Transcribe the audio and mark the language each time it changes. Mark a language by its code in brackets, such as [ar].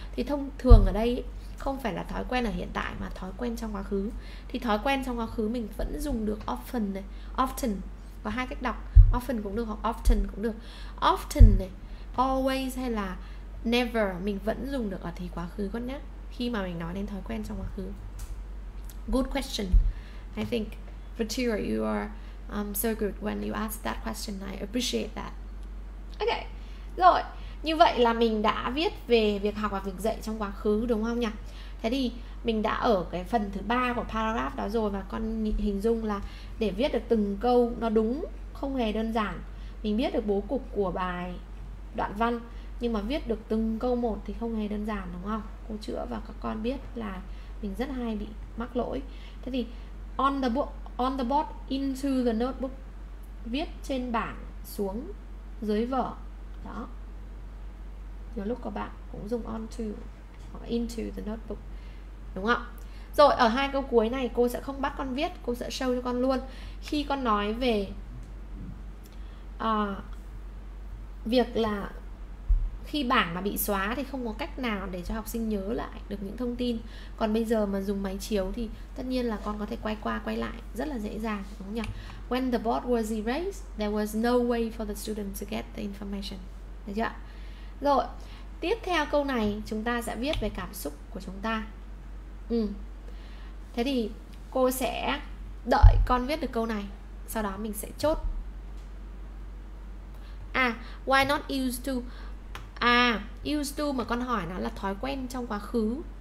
[vi] Thì thông thường ở đây không phải là thói quen ở hiện tại mà thói quen trong quá khứ. Thì thói quen trong quá khứ mình vẫn dùng được often này, often. Có hai cách đọc, often cũng được hoặc often cũng được. Often này, always hay là never mình vẫn dùng được ở thì quá khứ con nhé. Khi mà mình nói đến thói quen trong quá khứ. [en] Good question. I think Vatira, you are so good when you ask that question. I appreciate that. Ok, [vi] rồi. Như vậy là mình đã viết về việc học và việc dạy trong quá khứ đúng không nhỉ? Thế thì mình đã ở cái phần thứ ba của paragraph đó rồi và con hình dung là để viết được từng câu nó đúng không hề đơn giản. Mình biết được bố cục của bài đoạn văn nhưng mà viết được từng câu một thì không hề đơn giản đúng không? Cô chữa và các con biết là mình rất hay bị mắc lỗi. Thế thì [en] on the board into the notebook, [vi] viết trên bảng xuống dưới vở đó. Nhiều lúc các bạn cũng dùng on to hoặc into the notebook đúng không? Rồi ở hai câu cuối này cô sẽ không bắt con viết, cô sẽ show cho con luôn. Khi con nói về việc là khi bảng mà bị xóa thì không có cách nào để cho học sinh nhớ lại được những thông tin. Còn bây giờ mà dùng máy chiếu thì tất nhiên là con có thể quay qua quay lại rất là dễ dàng đúng không nhỉ? [en] When the board was erased, there was no way for the student to get the information. [vi] Được chưa? Rồi, tiếp theo câu này chúng ta sẽ viết về cảm xúc của chúng ta. Ừ. Thế thì cô sẽ đợi con viết được câu này, sau đó mình sẽ chốt. À, [en] why not use to? [vi] À, use to mà con hỏi nó là thói quen trong quá khứ.